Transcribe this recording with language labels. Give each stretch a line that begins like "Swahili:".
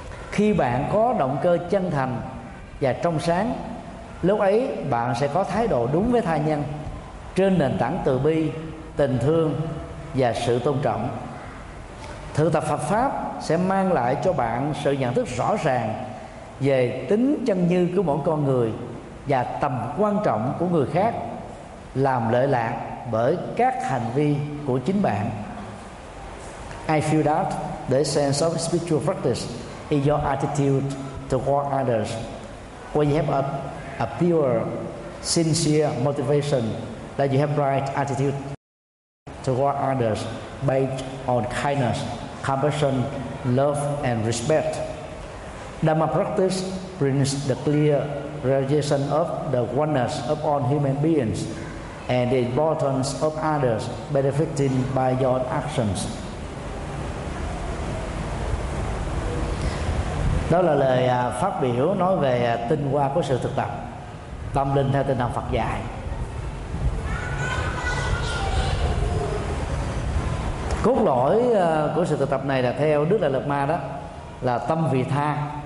Vietnamese: Khi bạn có động cơ chân thành và trong sáng, lúc ấy bạn sẽ có thái độ đúng với tha nhân trên nền tảng từ bi, tình thương và sự tôn trọng. Thực tập Phật pháp sẽ mang lại cho bạn sự nhận thức rõ ràng về tính chân như của mỗi con người và tầm quan trọng của người khác làm lệ lạc bởi các hành vi của chính bạn.
English: I feel that the sense of spiritual practice is your attitude toward others. When you have a pure, sincere motivation, that you have right attitude toward others based on kindness, compassion, love, and respect. Dharma practice brings the clear realization of the oneness of all human beings and the importance of others benefiting by your actions.
Vietnamese: Đó là lời phát biểu nói về tinh hoa của sự thực tập tâm linh theo tinh thần Phật dạy. Cốt lõi của sự thực tập này là theo Đức Đại Lạt Ma đó, là tâm vị tha.